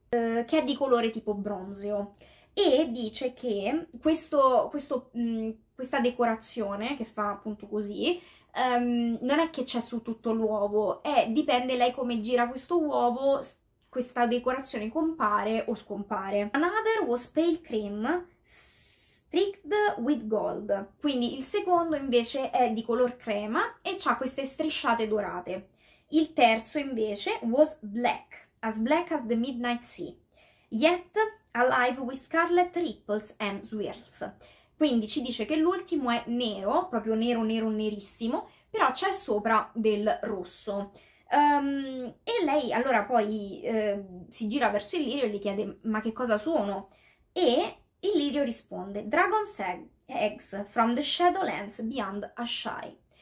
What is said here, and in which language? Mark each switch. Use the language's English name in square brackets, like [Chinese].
[Italian] Che è di colore tipo bronzeo e dice che questa decorazione che fa appunto così non è che c'è su tutto l'uovo, dipende lei come gira questo uovo, questa decorazione compare o scompare. [English] Another was pale cream streaked with gold. [Italian] Quindi il secondo invece è di color crema e ha queste strisciate dorate. Il terzo invece [English] was black as the midnight sea. Yet alive with scarlet ripples and swirls. [Italian] Quindi ci dice che l'ultimo è nero, proprio nero, nero, nerissimo, però c'è sopra del rosso. E lei allora poi si gira verso Illyrio e gli chiede: ma che cosa sono? E Illyrio risponde: [English] Dragon's eggs from the Shadowlands beyond Ashai.